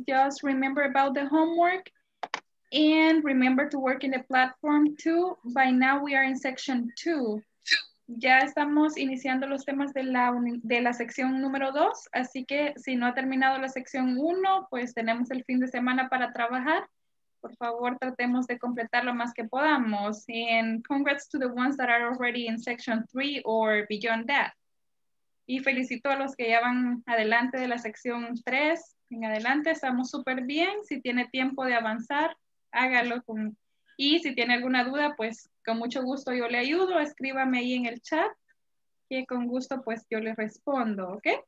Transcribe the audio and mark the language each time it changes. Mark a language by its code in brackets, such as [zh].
[en] Just remember about the homework and remember to work in the platform too. By now we are in section two. [es] Ya estamos iniciando los temas de la sección número 2, así que si no ha terminado la sección 1, pues tenemos el fin de semana para trabajar. Por favor, tratemos de completar lo más que podamos. [en] And congrats to the ones that are already in section 3 or beyond that. [es] Y felicito a los que ya van adelante de la sección 3. En adelante estamos súper bien. Si tiene tiempo de avanzar, hágalo con... Y si tiene alguna duda, pues con mucho gusto yo le ayudo. Escríbame ahí en el chat, que con gusto pues yo le respondo, ¿ok?